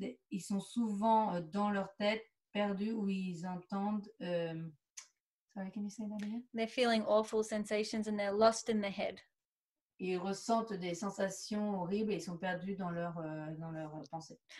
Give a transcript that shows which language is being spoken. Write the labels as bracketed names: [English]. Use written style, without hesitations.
[French] Ils sont souvent dans leur tête perdus où ils entendent. [English] Sorry, can you say that again? They're feeling awful sensations and they're lost in the head. [French] Ils ressentent des sensations horribles et ils sont perdus dans leur pensée.